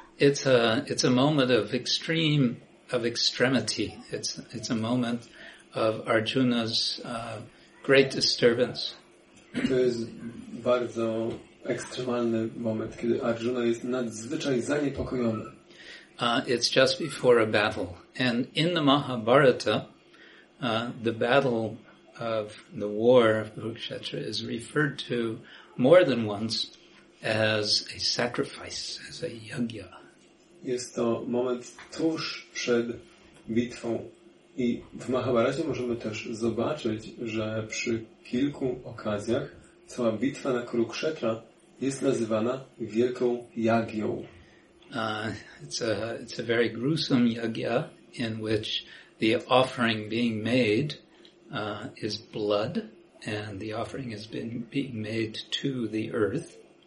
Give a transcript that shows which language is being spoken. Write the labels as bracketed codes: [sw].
[en] It's a moment of extremity. It's a moment of Arjuna's great disturbance. [pl] To jest bardzo ekstremalny moment, kiedy Arjuna jest nadzwyczaj zaniepokojony. [en] It's just before a battle. And in the Mahabharata, the battle of the war of Kurukshetra is referred to more than once as a sacrifice, as a yagya. [pl] Jest to moment tuż przed bitwą. I w Mahabharacie możemy też zobaczyć, że przy kilku okazjach cała bitwa na Kurukshetra jest nazywana wielką jagią. [en] It's a very gruesome yagya in which the offering being made is blood, and the offering has been being made to the earth.